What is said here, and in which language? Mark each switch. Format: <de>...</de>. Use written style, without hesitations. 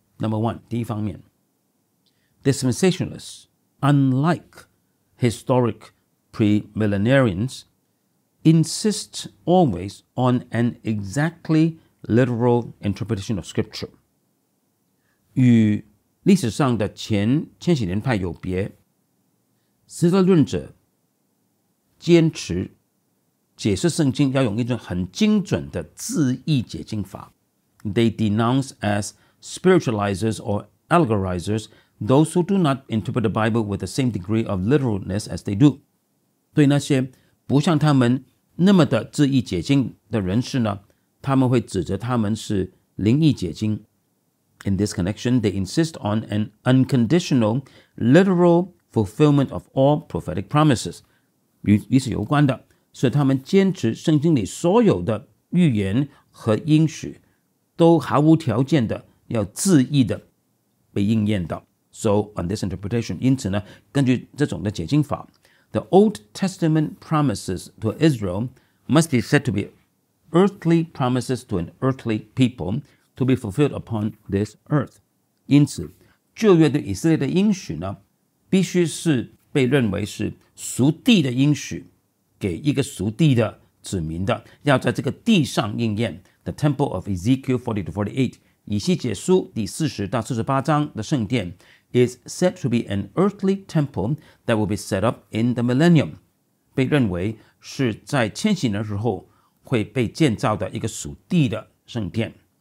<en>Number one，</en> <zh>第一方面</zh> <en>，dispensationalists unlike historic premillennialians insist always on an exactly literal interpretation of scripture。</en> <zh>与历史上的前千禧年派有别，实在论者坚持解释圣经要用一种很精准的字义解经法。</zh> <en>They denounce as spiritualizers or allegorizers those who do not interpret the Bible with the same degree of literalness as they do。</en> <zh>对那些不像他们那么的字义解经的人士呢，他们会指责他们是灵义解经。</zh> <en>In this connection, they insist on an unconditional, literal fulfillment of all prophetic promises.</en> <zh>与此有关的是他们坚持圣经里所有的预言和应许都毫无条件的要字义的被应验的。</zh> <en>So on this interpretation,</en> <zh>因此呢，根据这种的解经法，</zh> <en>the Old Testament promises to Israel must be said to be earthly promises to an earthly people,to be fulfilled upon this earth.</en> <zh>因此旧约对以色列的应许呢必须是被认为是属地的应许给一个属地的子民的，要在这个地上应验。</zh> <en>The temple of Ezekiel 40-48,</en> <zh>以西结书第40-48的圣殿</zh> <en>is said to be an earthly temple that will be set up in the millennium,</en> <zh>被认为是在千禧年时候会被建造的一个属地的圣殿。</zh>